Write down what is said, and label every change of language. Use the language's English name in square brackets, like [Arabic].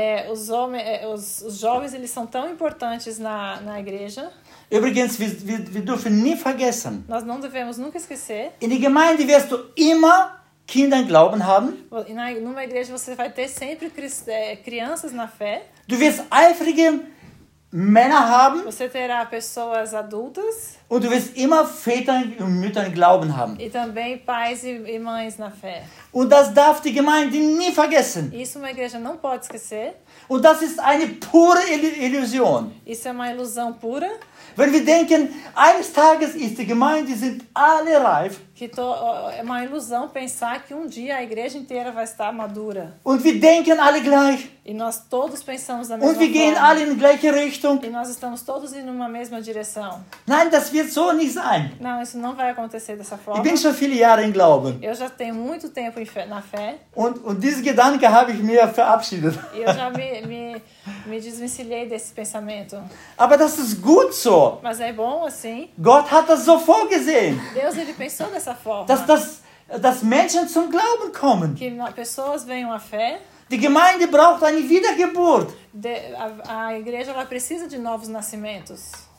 [Portuguese] os jovens eles são tão importantes na igreja. [German] Übrigens, wir dürfen nie vergessen. [Portuguese] Nós não devemos nunca esquecer. [German] In der Gemeinde wirst du immer Kinder glauben haben. [Portuguese] Numa igreja você vai ter sempre crianças na fé. [German] Du wirst eifrige Männer haben. [Portuguese] Você terá pessoas adultas. [German] Und du wirst immer Väter und Mütter glauben haben. [Portuguese] E também pais e mães na fé. [German] Und das darf die Gemeinde nie vergessen. [Portuguese] Isso uma igreja não pode esquecer. [German] Und das ist eine pure Illusion. [Portuguese] Isso é uma ilusão pura. [German] Wenn wir denken, eines Tages ist die Gemeinde sind alle reif. [Portuguese] É uma ilusão pensar que um dia a igreja inteira vai estar madura. [German] Und wir denken alle gleich. [Portuguese] E nós todos pensamos da mesma [German] Und wir [Portuguese] forma. [German] Gehen alle in gleiche Richtung. [Portuguese] E nós estamos todos indo numa mesma direção. [German] Nein, das wird so nicht sein. [Portuguese] Não, isso não vai acontecer dessa forma. [German] Ich bin schon viele Jahre im Glauben. [Portuguese] Eu já tenho muito tempo na fé. [German] Und diesen Gedanken habe ich mir verabschiedet. [Portuguese] E eu já me desvencilhei desse pensamento. [German] Aber das ist gut so. [Portuguese] Mas é bom assim. [German] Gott hat das so vorgesehen. [Portuguese] Deus ele pensou dessa forma. [German] Dass Menschen zum Glauben kommen. [Portuguese] Que pessoas venham à fé. [German] Die Gemeinde braucht eine Wiedergeburt. [Portuguese] A igreja ela precisa de novos nascimentos.